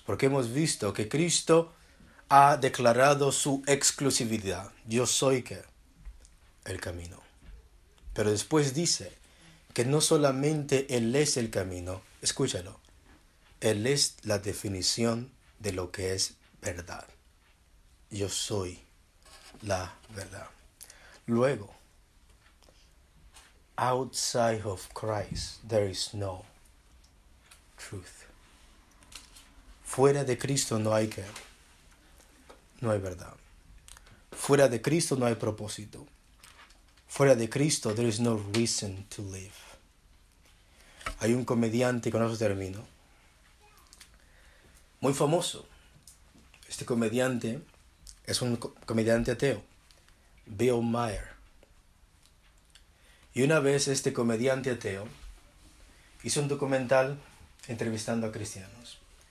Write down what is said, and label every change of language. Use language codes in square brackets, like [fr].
[es] Porque hemos visto que Cristo ha declarado su exclusividad. Yo soy ¿qué? El camino. Pero después dice que no solamente Él es el camino, escúchalo, Él es la definición de lo que es verdad. Yo soy la verdad. [en] Luego, outside of Christ, there is no truth. [es] Fuera de Cristo no hay que, no hay verdad. Fuera de Cristo no hay propósito. Fuera de Cristo [en] there is no reason to live. [es] Hay un comediante, con eso termino, muy famoso. Este comediante es un comediante ateo, Bill Maher. Y una vez este comediante ateo hizo un documental entrevistando a cristianos.